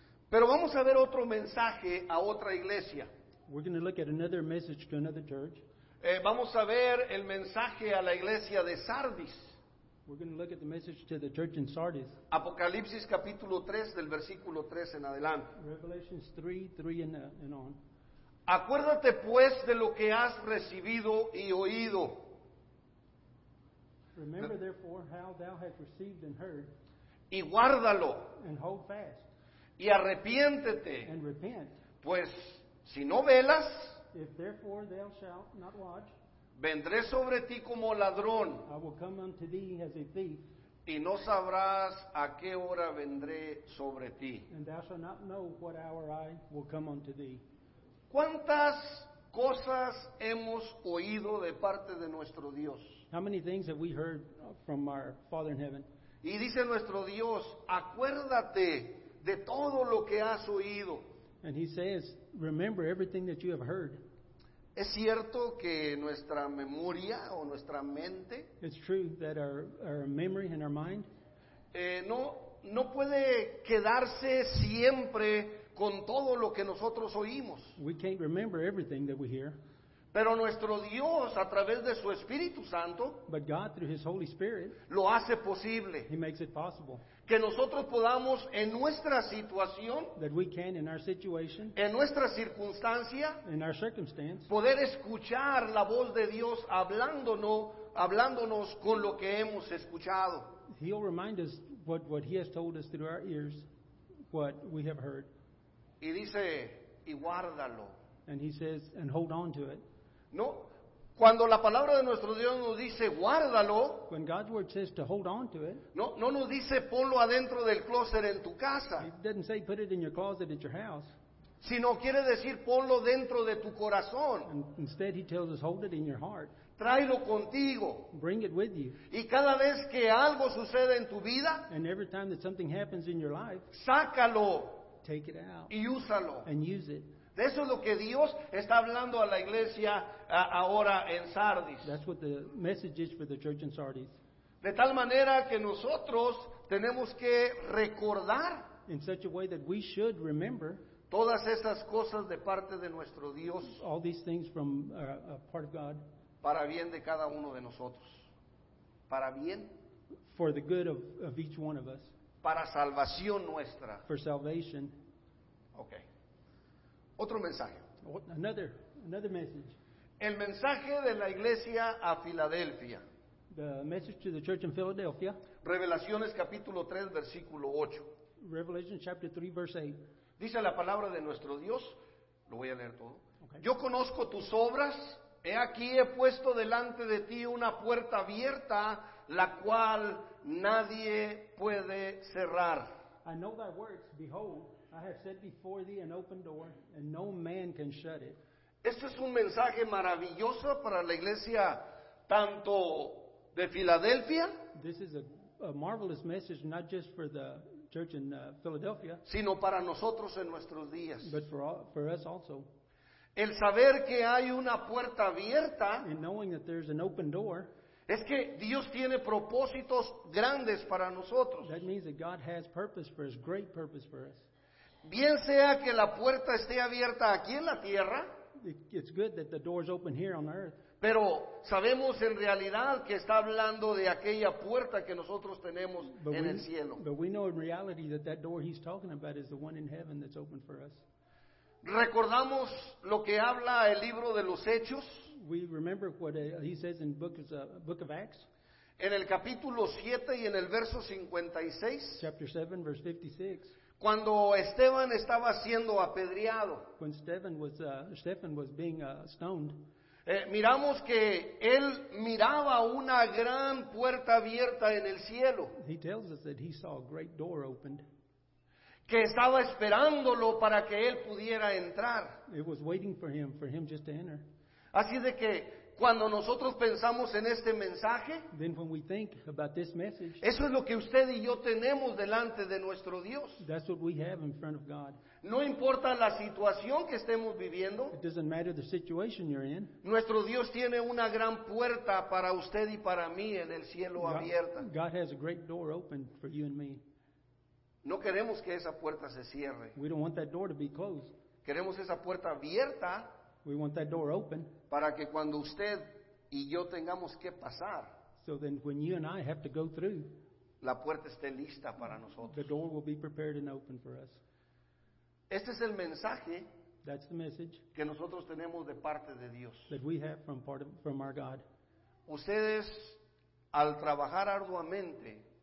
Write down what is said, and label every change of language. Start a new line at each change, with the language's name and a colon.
Spanish: Pero vamos a ver otro mensaje a otra iglesia.
English: We're going to look at another message to another church.
Spanish: Vamos a ver el mensaje a la iglesia de Sardis.
English: We're going to look at the message to the church in Sardis.
Spanish: Apocalipsis capítulo 3, del versículo 3 en adelante.
English: Revelation 3:3 and on.
Spanish: Acuérdate pues de lo que has recibido y oído.
English: Remember therefore how thou hast received and heard.
Spanish: Y guárdalo.
English: And hold fast.
Spanish: Y arrepiéntete.
English: And repent.
Spanish: Pues si no velas,
English: if therefore thou shalt not watch,
Spanish: vendré sobre ti como ladrón.
English: I will come unto thee as a thief.
Spanish: Y no sabrás a qué hora vendré sobre ti.
English: And thou shalt not know what hour I will come unto thee.
Spanish: ¿Cuántas cosas hemos oído de parte de nuestro Dios?
English: How many things have we heard from our Father in heaven?
Spanish: Y dice nuestro Dios, acuérdate de todo lo que has oído.
English: And he says, remember everything that you have heard.
Spanish: Es cierto que nuestra memoria o nuestra mente,
English: it's true that our memory and our mind,
Spanish: no puede quedarse siempre con todo lo que nosotros oímos.
English: We can't remember everything that we hear.
Spanish: Pero nuestro Dios, a través de su Espíritu Santo,
English: but God, through His Holy Spirit,
Spanish: lo hace posible.
English: He makes it possible.
Spanish: Que nosotros podamos, en nuestra situación,
English: that we can, in our situation,
Spanish: en nuestra circunstancia,
English: in our circumstance,
Spanish: poder escuchar la voz de Dios hablándonos con lo que hemos escuchado.
English: He'll remind us what He has told us through our ears, what we have heard.
Spanish: Y dice, y guárdalo.
English: And he says, and hold on to it.
Spanish: No, cuando la palabra de nuestro Dios nos dice, guárdalo.
English: When God's word says to hold on to it.
Spanish: No nos dice, ponlo adentro del closet en tu casa.
English: It doesn't say, put it in your closet at your house.
Spanish: Sino quiere decir, ponlo dentro de tu corazón.
English: And instead, he tells us, hold it in your heart.
Spanish: Tráelo contigo.
English: Bring it with you.
Spanish: Y cada vez que algo sucede en tu vida,
English: and every time that something happens in your life,
Spanish: sácalo.
English: Take it out.
Spanish: Y úsalo.
English: And use it.
Spanish: De eso es lo que Dios está hablando a la iglesia ahora en Sardis.
English: That's what the message is for the church in Sardis.
Spanish: De tal manera que nosotros tenemos que recordar
English: in such a way that we should remember
Spanish: todas esas cosas de parte de nuestro Dios,
English: all these things from a part of God,
Spanish: para bien de cada uno de nosotros. Para bien.
English: For the good of each one of us.
Spanish: Para salvación nuestra.
English: For salvation.
Spanish: Okay. Otro mensaje.
English: Another message.
Spanish: El mensaje de la iglesia a Filadelfia.
English: The message to the church in Philadelphia.
Spanish: Revelaciones capítulo 3, versículo 8.
English: Revelation chapter 3, verse 8.
Spanish: Dice la palabra de nuestro Dios. Lo voy a leer todo. Okay. Yo conozco tus obras. He aquí he puesto delante de ti una puerta abierta, la cual nadie puede cerrar.
English: I know thy works. Behold, I have set before thee an open door, and no man can shut it.
Spanish: Este es un mensaje maravilloso para la iglesia, tanto de Filadelfia.
English: This is a marvelous message, not just for the church in Philadelphia,
Spanish: sino para nosotros en nuestros días.
English: But for us also.
Spanish: El saber que hay una puerta abierta,
English: and knowing that there's an open door,
Spanish: es que Dios tiene propósitos grandes para nosotros.
English: That means that God has purpose for us, great purpose for us.
Spanish: Bien sea que la puerta esté abierta aquí en la tierra,
English: it's good that the door's open here on earth.
Spanish: Pero sabemos en realidad que está hablando de aquella puerta que nosotros tenemos en el cielo.
English: But we know in reality that that door he's talking about is the one in heaven that's open for us.
Spanish: Recordamos lo que habla el libro de los Hechos.
English: We remember what he says in book of Acts.
Spanish: En el capítulo 7 y en el verso 56.
English: Chapter 7, verse 56.
Spanish: Cuando Esteban estaba siendo apedreado.
English: When Stephen was being stoned.
Spanish: Miramos que él miraba una gran puerta abierta en el cielo.
English: He tells us that he saw a great door opened.
Spanish: Que estaba esperándolo para que él pudiera entrar.
English: It was waiting for him just to enter.
Spanish: Así de que cuando nosotros pensamos en este mensaje,
English: then when we think about this message,
Spanish: eso es lo que usted y yo tenemos delante de nuestro Dios.
English: That's what we have in front of God.
Spanish: No importa la situación que estemos viviendo,
English: it doesn't matter the situation you're in.
Spanish: Nuestro Dios tiene una gran puerta para usted y para mí en el cielo abierta.
English: God has a great door open for you and me.
Spanish: No queremos que esa puerta se cierre.
English: We don't want that door to be closed.
Spanish: Queremos esa puerta abierta.
English: We want that door open.
Spanish: Para que cuando usted y yo tengamos que pasar,
English: so then when you and I have to go through,
Spanish: la puerta esté lista para nosotros.
English: The door will be prepared and open for us.
Spanish: Este es el mensaje,
English: that's the message,
Spanish: que nosotros tenemos de parte de Dios.
English: That we have from our God.
Spanish: Ustedes, al trabajar arduamente,